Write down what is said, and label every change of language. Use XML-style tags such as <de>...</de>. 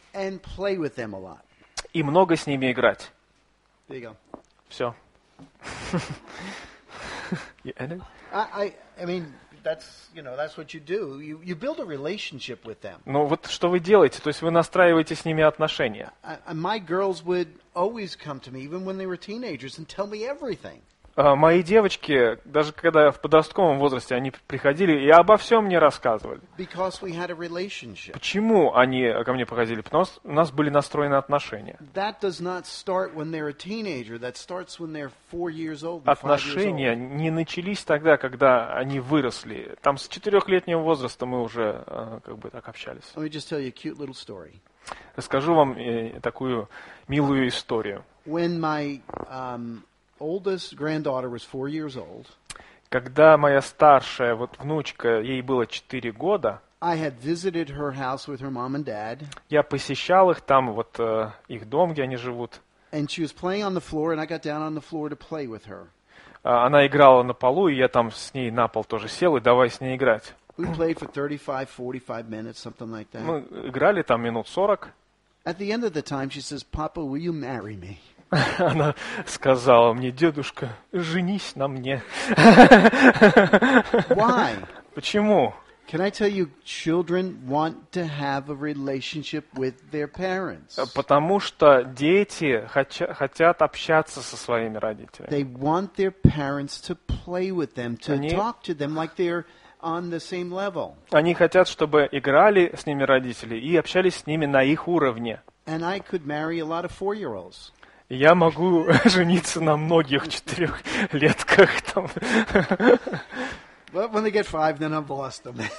<en>And play with them a lot.</en> <ru>И много с ними играть.</ru> <en>There you go.</en> <ru>Все.</ru> <en>That's what you do. You build a relationship with them.</en> <ru>Ну вот что вы делаете? То есть вы настраиваете с ними отношения.</ru> <en>My girls would always come to me, even when they were teenagers, and tell me everything.</en> <ru>Мои девочки, даже когда я в подростковом возрасте, они приходили и обо всем мне рассказывали.</ru> <en>Because we had a relationship.</en> <ru>Почему они ко мне приходили? Потому что у нас были настроены отношения.</ru> <en>That does not start when they're a teenager. That starts when they're 4 years old.</en> <ru>Отношения не начались тогда, когда они выросли. Там с 4-летнего возраста мы уже так общались.</ru> <en>Let me just tell you a cute little story.</en> <ru>Расскажу вам такую милую историю.</ru> <en>When my oldest granddaughter was 4 years old.</en> <ru>Когда моя старшая внучка, ей было 4 года.</ru> <en>I had visited her house with her mom and dad.</en> <ru>Я посещал их там их дом, где они живут.</ru> <en>And she was playing on the floor, and I got down on the floor to play with her.</en> <ru>Она играла на полу, и я там с ней на пол тоже сел и давай с ней играть.</ru> <en>We played for 35-45 minutes, something like that.</en> <ru>Мы играли там минут 40.</ru> <en>At the end of the time, she says, "Papa, will you marry me?"</en> <ru>Она сказала мне: «Дедушка, женись на мне».</ru> <en>Why?</en> <ru>Почему?</ru> <en>Can I tell you, children want to have a relationship with their parents?</en> <ru>Потому что дети хотят общаться со своими родителями.</ru> <en>They want their parents to play with them, to talk to them like they're on the same level.</en> <ru>Они хотят, чтобы играли с ними родители и общались с ними на их уровне.</ru> <en>And I could marry a lot of 4-year-olds.</en> <ru>Я могу жениться на многих 4-летках. Там.</ru> <en>But when they get 5, then I've lost them.</en>